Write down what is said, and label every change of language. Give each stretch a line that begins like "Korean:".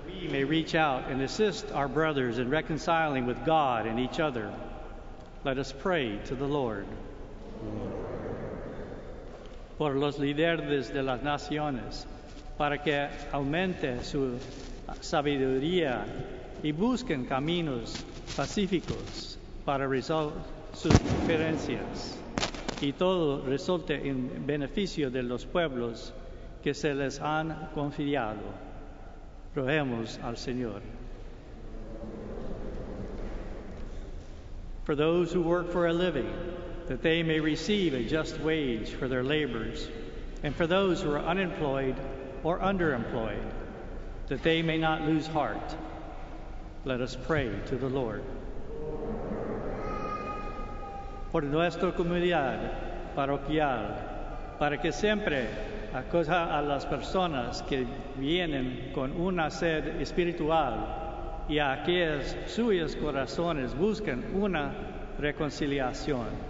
English: May reach out and assist our brothers in reconciling with God and each other. Let us pray to the Lord.
Spanish: Por los líderes de las naciones, para que aumente su sabiduría y busquen caminos pacíficos para resolver sus diferencias, y todo resulte en beneficio de los pueblos que se les han confiado. Rogemos al Señor.
English: For those who work for a living, that they may receive a just wage for their labors, and for those who are unemployed or underemployed, that they may not lose heart, let us pray to the Lord.
Spanish: Por nuestra comunidad parroquial, para que siempre acoja a las personas que vienen con una sed espiritual y a aquellos suyos corazones buscan una reconciliación.